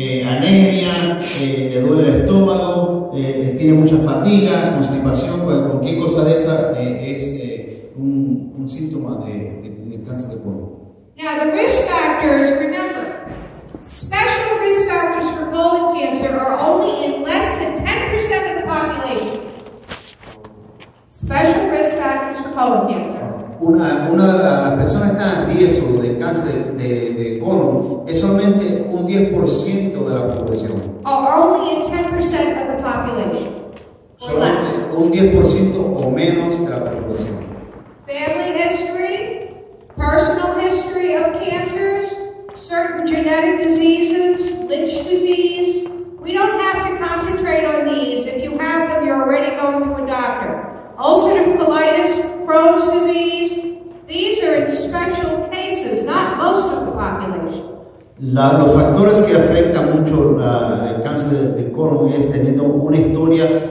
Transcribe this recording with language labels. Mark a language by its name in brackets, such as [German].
[Spanish] Anemia, le duele el estómago, tiene mucha fatiga, constipación, cualquier cosa de esa es un síntoma de cáncer de colon. [English] Now the risk factors, remember, special risk factors for colon cancer are only in less than 10% of the population. Special risk factors for colon cancer. [Spanish] Una de las personas que está en riesgo de cáncer de colon es solamente un 10% de la población. [English] Only 10% of the population. [Spanish] Solo un 10% o menos de la población. [English] Family history, personal history of cancers, certain genetic diseases, Lynch disease. We don't have to concentrate on these. If you have them, you're already going to a doctor. Ulcerative colitis, Crohn's disease, these are in special cases, not most of the population. [Spanish] Los factores que afectan mucho el cáncer de colon es teniendo una historia